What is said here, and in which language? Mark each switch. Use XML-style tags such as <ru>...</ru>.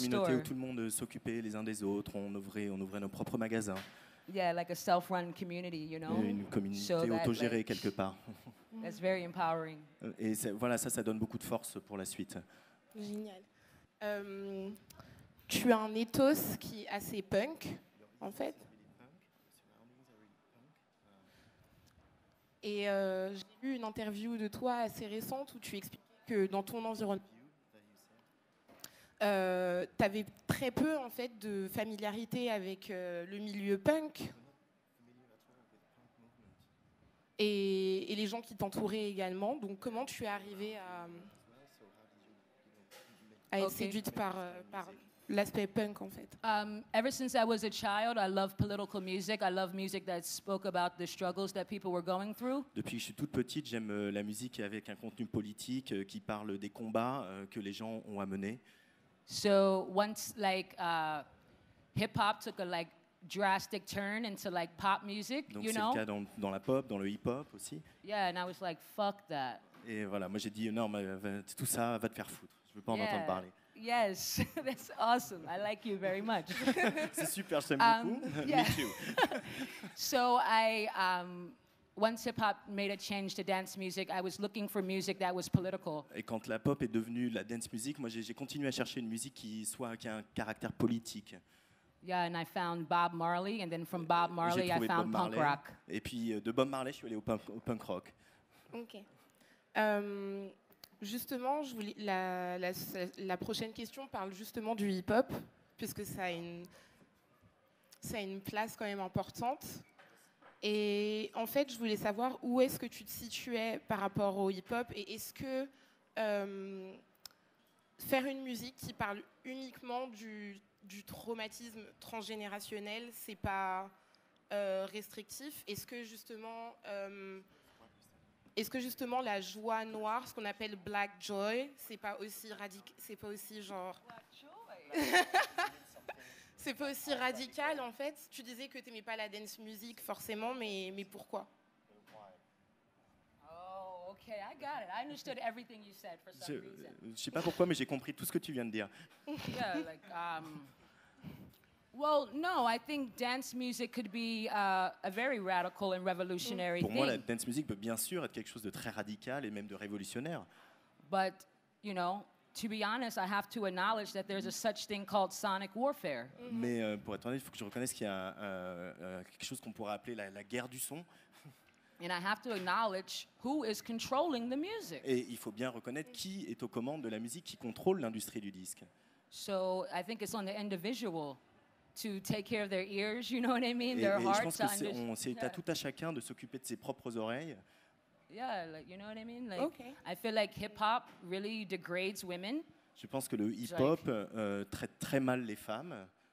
<fr>C'était une communauté où tout le monde s'occupait les uns des autres. On ouvrait nos propres magasins.</fr> <en>Yeah, like a self-run community, you know.</en> <fr>Une communauté autogérée quelque part.</fr> <en>That's very empowering.</en> <fr>Et voilà, ça donne beaucoup de force pour la suite. Génial. Tu as un ethos qui est assez punk, en fait. Et j'ai lu une interview de toi assez récente où tu expliquais que dans ton environnement, tu avais très peu en fait de familiarité avec le milieu punk et les gens qui t'entouraient également. Donc comment tu es arrivée à être séduite par l'aspect punk en fait.</fr> <en>Ever since I was a child, I love political music. I love music that spoke about the struggles that people were going through.</en> <fr>Depuis que je suis toute petite, j'aime la musique avec un contenu politique qui parle des combats que les gens ont à mener.</fr> <en>So once like hip hop took a like drastic turn into like pop music,</en> <fr>donc</fr> <en>you know.</en> <fr>Donc c'est le cas dans la pop, dans le hip hop aussi.</fr> <en>Yeah, and I was like, fuck that.</en> <fr>Et voilà, moi j'ai dit non, mais tout ça va te faire foutre. Je veux pas en entendre parler.</fr> <en>Yes, that's awesome. I like you very much.</en> <fr>C'est super, j'aime beaucoup.</fr> <en>Yeah. Me too. So I, once hip hop made a change to dance music, I was looking for music that was political.</en> <fr>Et quand la pop est devenue la dance music, moi j'ai continué à chercher une musique qui a un caractère politique.</fr> <en>Yeah, and I found Bob Marley, and then from Bob Marley, I found punk rock.</en> <fr>Et puis de Bob Marley, je suis allée au punk rock.</fr> <en>Okay.</en> <fr>Justement, je voulais, la prochaine question parle justement du hip-hop, puisque ça a une place quand même importante. Et en fait, je voulais savoir où est-ce que tu te situais par rapport au hip-hop, et est-ce que faire une musique qui parle uniquement du traumatisme transgénérationnel, c'est pas restrictif? Est-ce que justement... Est-ce que justement la joie noire, ce qu'on appelle black joy, c'est pas aussi radical, c'est pas aussi genre c'est pas aussi radical en fait? Tu disais que t'aimais pas la dance music forcément, mais pourquoi?</fr> <en>Oh, okay, I got it. I understood everything you said for some reason.</en> <fr>Je sais pas pourquoi, mais j'ai compris tout ce que tu viens de dire.</fr> <en>Yeah, like well, no, I think dance music could be a very radical and revolutionary</en> <fr>thing. Pour moi, la dance music peut bien sûr être quelque chose de très radical et même de révolutionnaire.</fr> <en>But, you know, to be honest, I have to acknowledge that there's a such thing called sonic warfare. Mm-hmm.</en> <fr>Mais pour être honnête, il faut que je reconnaisse qu'il y a quelque chose qu'on pourrait appeler la guerre du son.</fr> <en>And I have to acknowledge who is controlling the music.</en> <fr>Et il faut bien reconnaître qui est aux commandes de la musique, qui contrôle l'industrie du disque.</fr> <en>So, I think it's on the individual to take care of their ears, you know what I mean? Their hearts.</en> <fr>Et je pense que c'est à tout à chacun de s'occuper de ses propres oreilles.</fr> <en>Yeah, like, you know what I mean? Like, okay. I feel like hip-hop really degrades women.</en> <fr>Je pense que le hip-hop traite très mal les femmes.</fr>